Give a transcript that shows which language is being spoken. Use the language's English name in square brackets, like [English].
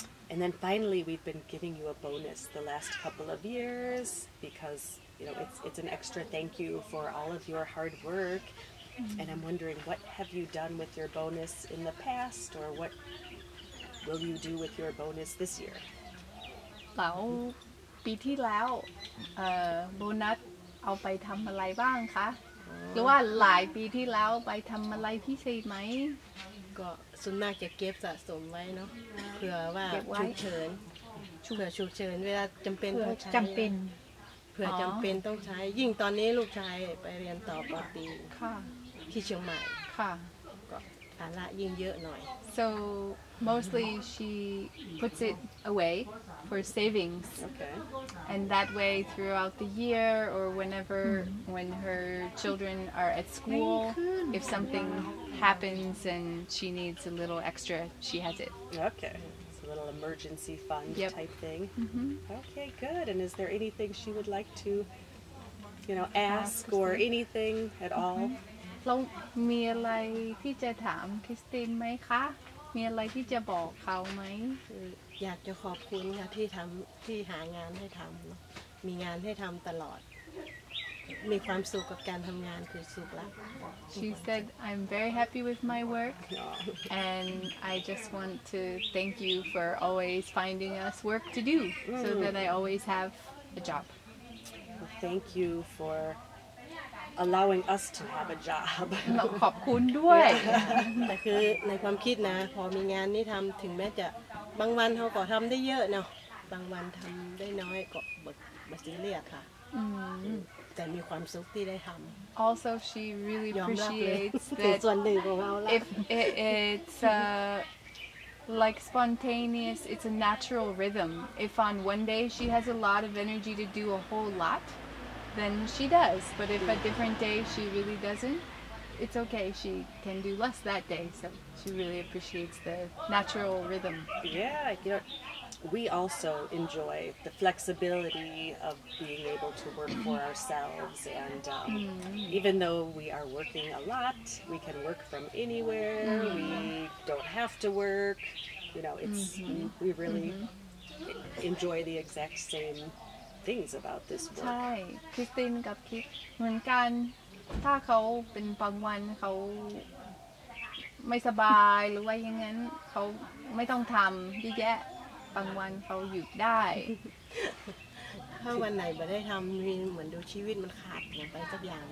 [English] And then finally, we've been giving you a bonus the last couple of years because, you know, it's an extra thank you for all of your hard work. Mm-hmm. And I'm wondering, what have you done with your bonus in the past, or what will you do with your bonus this year? Wow. [Thai] ปีที่แล้วโบนัสเอาไปทำอะไรบ้างคะหรือว่าหลายปีที่แล้วไปทำอะไรพิเศษไหม ก็ส่วนมากจะเก็บสะสมไว้เนาะเผื่อว่าฉุกเฉินเผื่อฉุกเฉินเวลาจำเป็นต้องใช้ จำเป็น เผื่อจำเป็นต้องใช้ยิ่งตอนนี้ลูกชายไปเรียนต่อปตรีที่เชียงใหม่ค่ะ ก็ภาระยิ่งเยอะหน่อย [English] so mostly she puts it away for savings okay and that way throughout the year or whenever when her children are at school if something happens and she needs a little extra she has it okay. Little emergency fund yep. type thing. Mm-hmm. Okay, good. And is there anything she would like to, you know, ask or anything at all? [Thai] เรามีอะไรที่จะถามคริสตินไหมคะมีอะไรที่จะบอกเขาไหม อยากจะขอบคุณค่ะที่ทำที่หางานให้ทำมีงานให้ทำตลอดมีความสุขกับการทำงานคือสุขละ [English] She said, I'm very happy with my work yeah. and I just want to thank you for always finding us work to do so that I always have a job well, Thank you for allowing us to have a job [Thai] ขอบคุณด้วย แต่คือในความคิดนะพอมีงานนี้ทำถึงแม้จะบางวันเขาก็ทำได้เยอะเนาะบางวันทำได้น้อยก็บดบดซีเรียสค่ะแต่มีความสุขที่ได้ทำ [English] Also she really appreciates [Thai] that ส่วนหนึ่งของเราละ [English] If it's like spontaneous it's a natural rhythm if on one day she has a lot of energy to do a whole lot then she does but if a different day she really doesn't it's okay she can do less that day so she really appreciates the natural rhythm yeah you know,We also enjoy the flexibility of being able to work for ourselves and even though we are working a lot, we can work from anywhere, we don't have to work, you know, it's, we really enjoy the exact same things about this work. [Thai] ใช่ Christine กับ Keith เหมือนกันถ้าเขาเป็นบางวันเขาไม่สบายหรือว่าอย่างนั้นเขาไม่ต้องทำเยอะแยะบางวันเขาหยุดได้ถ้าวันไหนไม่ได้ทำมีเหมือนดูชีวิตมันขาดไปสักอย่าง